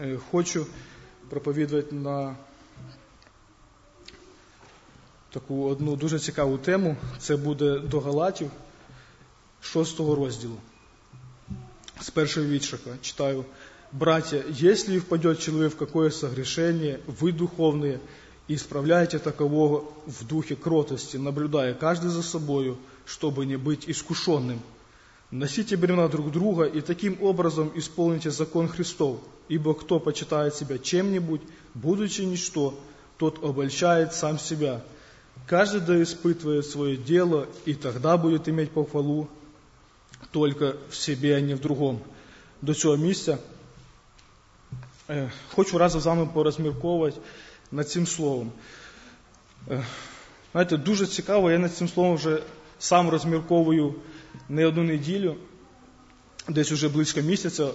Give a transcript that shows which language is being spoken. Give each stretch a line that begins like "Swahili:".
Ukrainian: Хочу проповідувати на таку одну дуже цікаву тему. Це буде до Галатів, 6 розділу. З першого віршика читаю.
Russian: «Братья, если впадет человек в какое согрешение, вы духовные, и исправляете такового в духе кротости, наблюдая каждый за собою, чтобы не быть искушенным. Носите бремена друг друга, и таким образом исполните закон Христов, ибо кто почитает себя чем-нибудь, будучи ничто, тот обольщает сам себя. Каждый да испытывает свое дело, и тогда будет иметь похвалу только в себе, а не в другом».
Ukrainian: До цього місця хочу разом з вами порозмірковувати над цим словом. Знаєте, дуже цікаво, я над цим словом вже сам розмірковую не одну неділю, десь уже близько місяця.